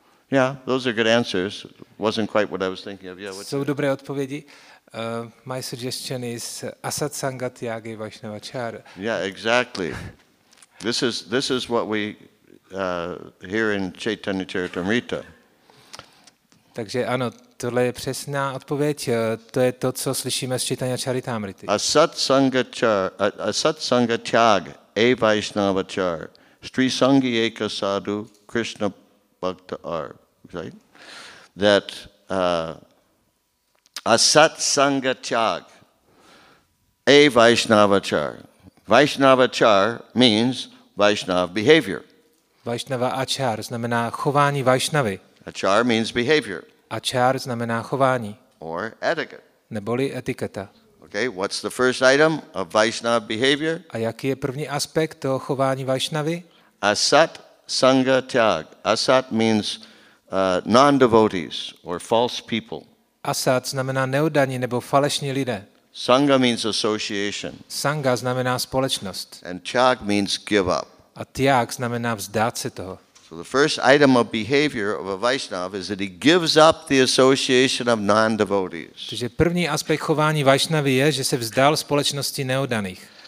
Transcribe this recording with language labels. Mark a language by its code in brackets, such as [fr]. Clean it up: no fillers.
[en] Yeah, those are good answers. Wasn't quite what I was thinking of. Yeah. [cs] Jsou dobré odpovědi. [en] My suggestion is [sa] asat sangat yagi vaishnava char. [en] Yeah, exactly. This is what we hear in Chaitanya Charitamrita. [cs] Takže ano, tohle je přesná odpověď. To je to, co slyšíme z Chaitanya Charitamrity. [sa] Asat sanga tyag evaishnava char stri sangi eka sadhu krishna bhakta ar, right? [en] That asat sanga tyag evaishnava char. Vaishnava char means Vaishnava behavior. [cs] Vaishnava achar znamená chování Vaishnavy. [en] Achar means behavior. [cs] Achar znamená chování. [en] Or etiquette. [cs] Neboli etiketa. [en] Okay, what's the first item of Vaishnava behavior? [cs] A jaký je první aspekt toho chování Vaishnavy? [en] Asat sanga tyag. Asat means non-devotees or false people. [cs] Asat znamená neudaní nebo falešní lidé. [en] Sangha means association. [cs] Sangha znamená společnost. [en] And tyag means give up. [cs] A tyag znamená vzdát se toho. [en] So the first item of behavior of a Vaishnav is that he gives up the association of non-devotees. [cs] Takže první aspekt chování Vaishnavy je, že se vzdal společnosti neodaných.